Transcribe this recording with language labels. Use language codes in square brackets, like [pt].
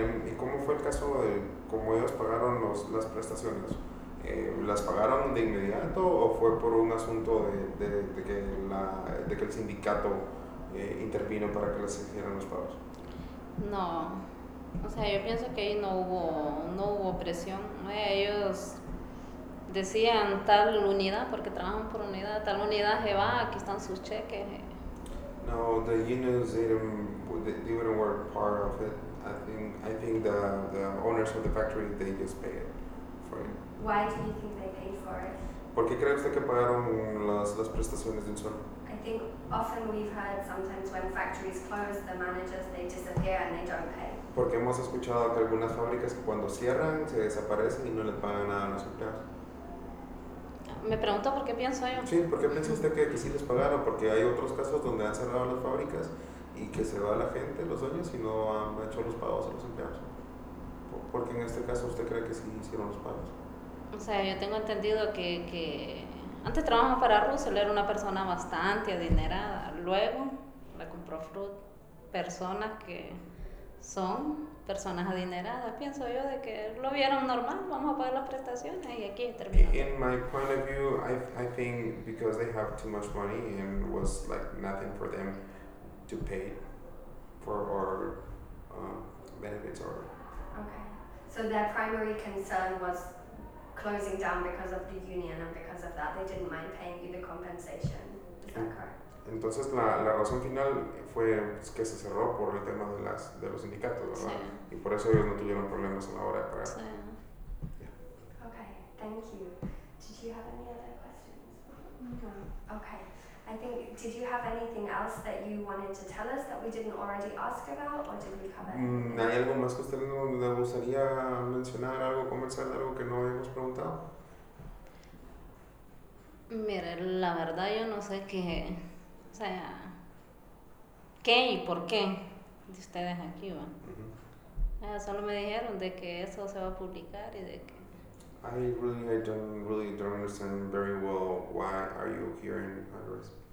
[es] ¿Y cómo fue el caso de cómo ellos pagaron las prestaciones? ¿Las pagaron de inmediato o fue por un asunto de que el sindicato intervino para que les hicieran los pagos? No, o sea, yo pienso que ahí no hubo presión. Ellos decían tal unidad, porque trabajan por unidad, tal unidad se va, aquí están sus cheques. [en] No, the unions didn't work part of it. I think the owners of the factory, they just pay it for it. Why do you think they paid for it? [es] ¿Por qué cree usted que pagaron las prestaciones de un solo? [en] I think often we've heard sometimes when factories close, the managers, they disappear and they don't pay. [es] Porque hemos escuchado que algunas fábricas cuando cierran se desaparecen y no les pagan nada a los empleados. Me pregunto por qué pienso yo. Sí, ¿por qué piensa usted que sí les pagaron? Porque hay otros casos donde han cerrado las fábricas y que se va la gente, los dueños, y no han hecho los pagos a los empleados. ¿Porque en este caso usted cree que sí hicieron los pagos? O sea, yo tengo entendido que antes trabajaba para Russell, era una persona bastante adinerada. Luego la compró Fruit. Personas que son personas adineradas, pienso yo, de que lo vieron normal, vamos a pagar las prestaciones y aquí terminó. [en] In my point of view, I think because they have too much money and was like nothing for them to pay for our benefits or... Okay. So their primary concern was closing down because of the union, and because of that they didn't mind paying you the compensation. Okay. [es] Entonces la razón final fue que se cerró por el tema de los sindicatos, ¿verdad? Sí. Y por eso ellos no tuvieron problemas a la hora de pagar. Sí. [en] Yeah. Okay, thank you. Did you have any other questions? No. Okay. I think, did you have anything else that you wanted to tell us that we didn't already ask about, or did we cover? [es] ¿Hay algo más que usted le gustaría mencionar, algo, conversar, algo que no habíamos preguntado? Mira, la verdad yo no sé qué, o sea, qué y por qué de ustedes aquí, ¿va? Uh-huh. Solo me dijeron de que eso se va a publicar y de que... [en] I don't understand very well why are you here in Honduras.